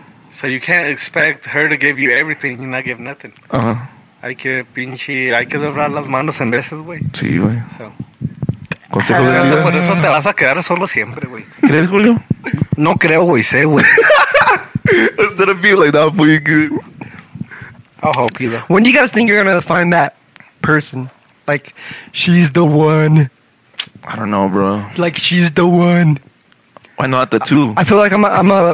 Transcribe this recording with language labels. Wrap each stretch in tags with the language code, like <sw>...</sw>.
<en>So you can't expect her to give you everything and not give nothing.</en> <es>Hay que doblar las manos en veces, güey. Sí, güey. Consejo de vida. Por eso te vas a quedar solo siempre, güey. ¿Crees, Julio? No creo, güey. Sé, güey.</es> <en>It's gonna be like that for you, dude. I'll hope you, though. When do you guys think you're gonna find that person? Like, she's the one. I don't know, bro. Like, she's the one. Why not the two? I feel like I'm a...</en>